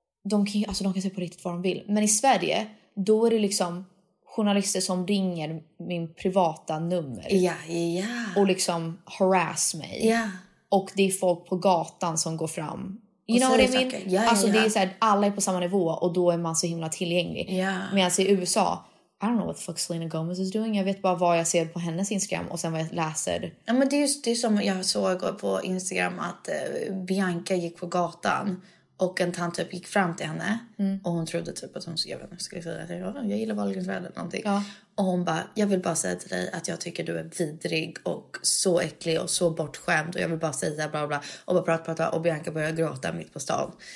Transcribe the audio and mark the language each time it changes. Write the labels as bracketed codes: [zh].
[sv] De kan säga på riktigt vad de vill. Men i Sverige, då är det liksom journalister som ringer min privata nummer. Ja, yeah, ja, yeah. Och liksom harass mig. Ja. Yeah. Och det är folk på gatan som går fram. [en] You know what I mean? [sv] Yeah, alltså det är så här, alla är på samma nivå och då är man så himla tillgänglig. Ja. Yeah. Medan i USA, [en] I don't know what the fuck Selena Gomez is doing. [sv] Jag vet bara vad jag ser på hennes Instagram och sen vad jag läser. Ja, men det är just det som jag såg på Instagram att Bianca gick på gatan och en tant typ gick fram till henne och hon trodde typ att hon skrev en skrivare. Jag gillar Valgrens värld eller någonting. Ja. Och hon bara, jag vill bara säga till dig att jag tycker du är vidrig och så äcklig och så bortskämd och jag vill bara säga bla bla och bara prata och Bianca började gråta mitt på stan.